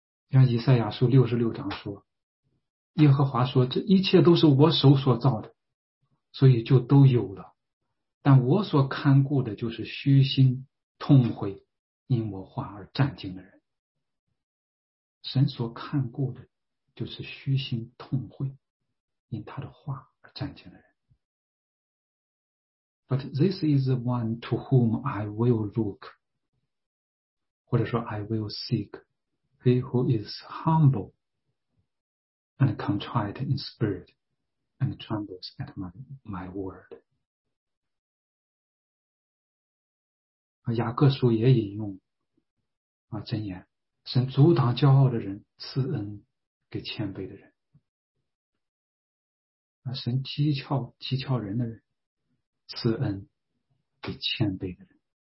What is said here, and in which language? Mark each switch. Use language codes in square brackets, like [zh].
[zh] 像以赛亚书66章说，耶和华说，这一切都是我手所造的，所以就都有了，但我所看顾的就是虚心痛悔因我话而战兢的人。神所看顾的就是虚心痛悔因他的话而战兢的人。 [en] But this is the one to whom I will look, [zh] 或者说 [en] I will seek, he who is humble and contrite in spirit and trembles at my word. [zh] 雅各书也引用箴言，神阻挡骄傲的人，赐恩给谦卑的人，神讥诮人的人，赐恩给谦卑的人。